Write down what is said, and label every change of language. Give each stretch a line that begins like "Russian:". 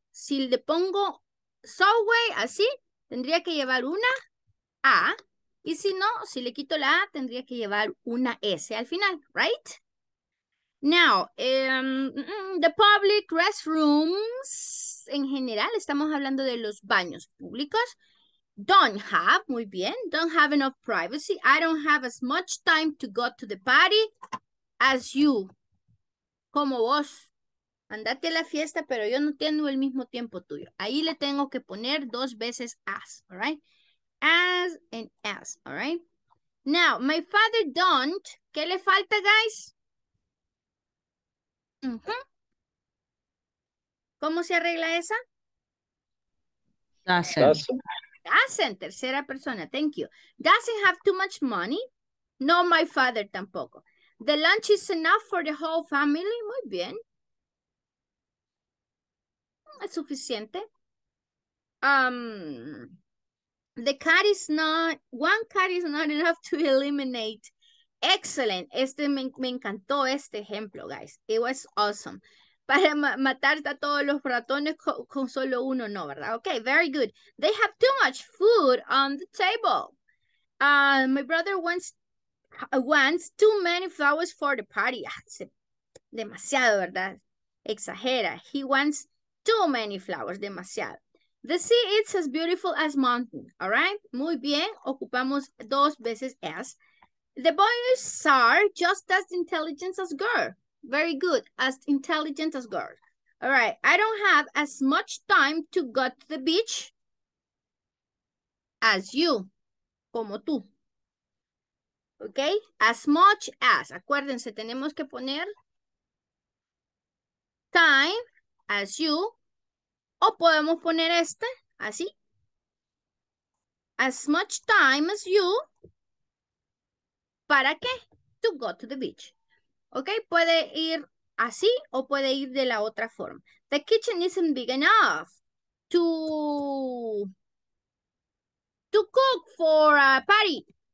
Spanish: Si le pongo subway así, tendría que llevar una A. Y si no, si le quito la A, tendría que llevar una S al final.
English: Right? Now, the public restrooms.
Spanish: En general, estamos hablando de los baños públicos.
English: Don't have,
Spanish: muy bien,
English: don't have enough privacy. I don't have as much time to go to the party as you.
Spanish: Como vos. Andate a la fiesta, pero yo no tengo el mismo tiempo tuyo. Ahí le tengo que poner dos veces as,
English: all right? As and as, all right? Now, my father don't.
Spanish: ¿Qué le falta, guys? Uh-huh. ¿Cómo se arregla esa?
English: Doesn't,
Spanish: tercera persona,
English: thank you. Doesn't have too much money. No, my father
Spanish: tampoco.
English: The lunch is enough for the whole family.
Spanish: Muy bien. Es suficiente.
English: One cat is not enough to eliminate. Excellent.
Spanish: Este me encantó este ejemplo, guys.
English: It was awesome.
Spanish: Para matar a todos los ratones con solo uno, no, ¿verdad?
English: Okay, very good. They have too much food on the table. My brother wants too many flowers for the party.
Spanish: Demasiado, ¿verdad? Exagera.
English: He wants too many flowers.
Spanish: Demasiado.
English: The sea is as beautiful as mountain. All right?
Spanish: Muy bien. Ocupamos dos veces as.
English: The boys are just as intelligent as girl. Very good. As intelligent as girl. All right. I don't have as much time to go to the beach as you.
Spanish: Como tú.
English: Okay? As much as.
Spanish: Acuérdense, tenemos que poner
English: time as you.
Spanish: O podemos poner este. Así.
English: As much time as you.
Spanish: ¿Para qué?
English: To go to the beach.
Spanish: Ok, puede ir así o puede ir de la otra forma.
English: The kitchen isn't big enough to cook for a party.